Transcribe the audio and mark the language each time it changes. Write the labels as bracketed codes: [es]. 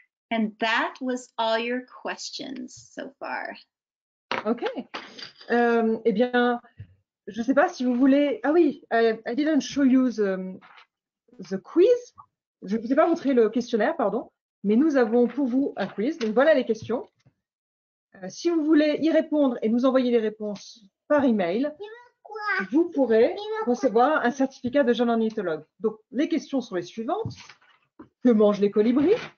[en] And that was all your questions so far. OK. [fr] Eh bien, je ne sais pas si vous voulez. Ah oui, [en] I didn't show you the quiz. [fr] Je ne vous ai pas montré le questionnaire, pardon, mais nous avons pour vous un quiz. Donc voilà les questions. Si vous voulez y répondre et nous envoyer les réponses par email, vous pourrez recevoir un certificat de jeune ornithologue. Donc les questions sont les suivantes. Que mangent les colibris?